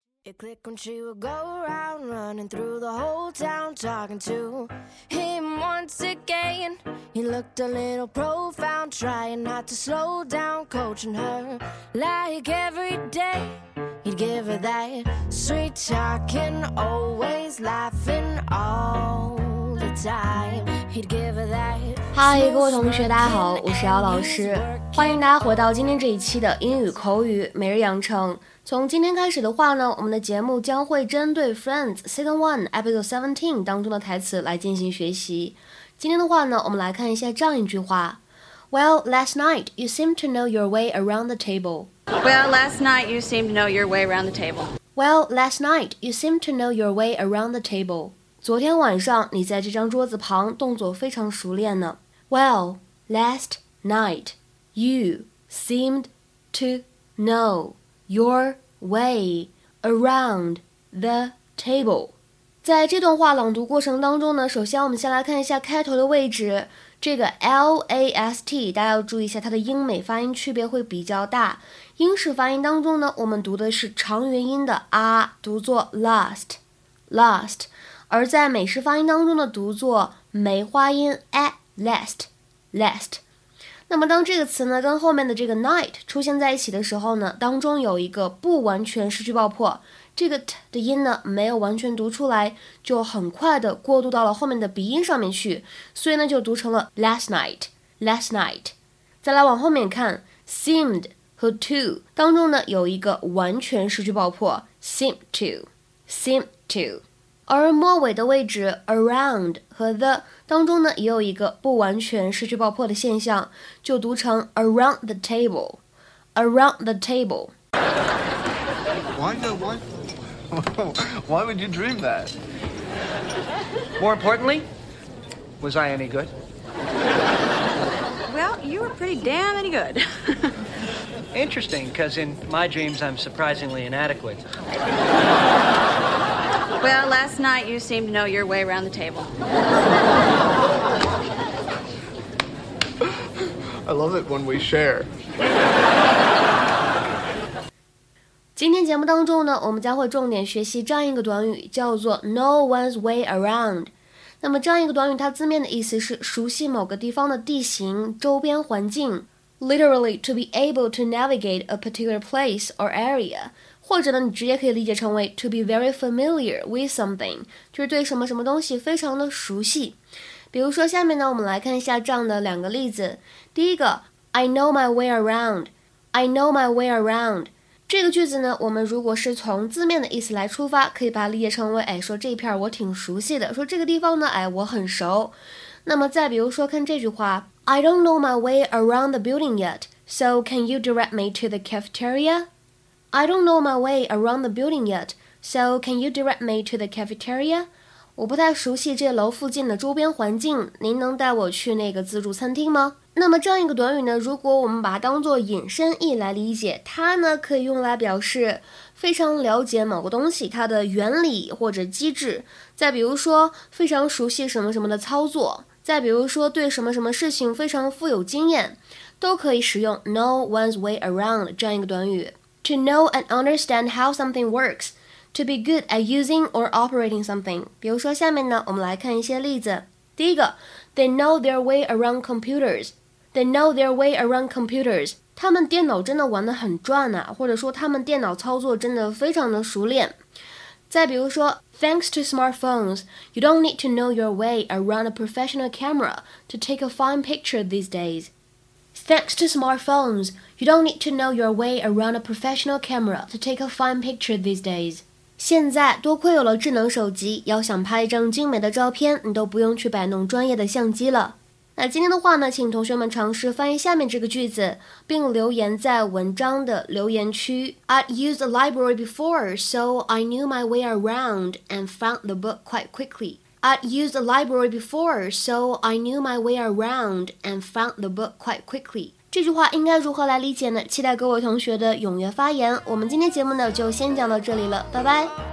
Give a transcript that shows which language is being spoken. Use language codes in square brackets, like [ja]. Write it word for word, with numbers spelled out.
[en] You click when she would go around, running through the whole town, talking to him once again. He looked a little profound, trying not to slow down, coaching her like every day. He'd give her that sweet talking, always laughing all the time. He'd give her that. [zh] Hi， 各位同学，大家好，我是姚老师，欢迎大家回到今天这一期的英语口语每日养成。从今天开始的话呢，我们的节目将会针对 Friends Season one Episode seventeen 当中的台词来进行学习。今天的话呢，我们来看一下这样一句话。 [en] Well, last night you seem to know your way around the table. Well, last night you seem to know your way around the table. Well, last night you seem to know your way around the table. [zh] 昨天晚上你在这张桌子旁动作非常熟练呢。 [en] Well, last night you seemed to know. Your way around the table. [zh] 在这段话朗读过程当中呢，首先我们先来看一下开头的位置，这个 last， 大家要注意一下它的英美发音区别会比较大。英式发音当中呢，我们读的是长元音的 啊， 读作 last last， 而在美式发音当中呢，读作梅花音 a last last。那么当这个词呢跟后面的这个 night 出现在一起的时候呢，当中有一个不完全失去爆破，这个 t 的音呢没有完全读出来，就很快的过渡到了后面的鼻音上面去，所以呢就读成了 [en] last night last night。 [zh] 再来往后面看 seemed 和 to 当中呢有一个完全失去爆破 [en] seem to seem to， [zh] 而末尾的位置 around 和 the当中呢也有一个不完全失去爆破的现象，就读成 [en] around the table around the table。 Why, why, why would you dream that? More importantly, was I any good? Well, you were pretty damn any good. Interesting, because in my dreams I'm surprisingly inadequate. Well, last night you seemed to know your way around the table. I love it when we share. [zh] 今天节目当中呢，我们将会重点学习这样一个短语，叫做 [en] know one's way around。 [zh] 那么这样一个短语，它字面的意思是熟悉某个地方的地形、周边环境。 [en] Literally, to be able to navigate a particular place or area. [zh] 或者呢，你直接可以理解成为 [en] to be very familiar with something， [zh] 就是对什么什么东西非常的熟悉。比如说下面呢，我们来看一下这样的两个例子。第一个 [en] I know my way around [zh] I know my way around， 这个句子呢，我们如果是从字面的意思来出发，可以把它理解成为，哎，说这一片我挺熟悉的，说这个地方呢，哎，我很熟。那么再比如说看这句话 [en] I don't know my way around the building yet, so can you direct me to the cafeteria? I don't know my way around the building yet, so can you direct me to the cafeteria? [zh] 我不太熟悉这楼附近的周边环境，您能带我去那个自助餐厅吗？那么这样一个短语呢，如果我们把它当作引申义来理解，它呢可以用来表示非常了解某个东西它的原理或者机制，再比如说非常熟悉什么什么的操作，再比如说对什么什么事情非常富有经验，都可以使用 [en] know one's way around [zh] 这样一个短语。 [en] To know and understand how something works, to be good at using or operating something. [zh] 比如说下面呢，我们来看一些例子。第一个 [en] They know their way around computers. They know their way around computers. [zh] 他们电脑真的玩得很转啊，或者说他们电脑操作真的非常的熟练。再比如说 [en] Thanks to smartphones, you don't need to know your way around a professional camera to take a fine picture these days. Thanks to smartphones, you don't need to know your way around a professional camera to take a fine picture these days. [zh] 现在多亏有了智能手机，要想拍一张精美的照片，你都不用去摆弄专业的相机了。那今天的话呢，请同学们尝试翻译下面这个句子，并留言在文章的留言区。 [en] I'd used the library before, so I knew my way around and found the book quite quickly. I'd used the library before, so I knew my way around and found the book quite quickly. [zh] 这句话应该如何来理解呢？期待各位同学的踊跃发言。我们今天节目呢就先讲到这里了，拜拜。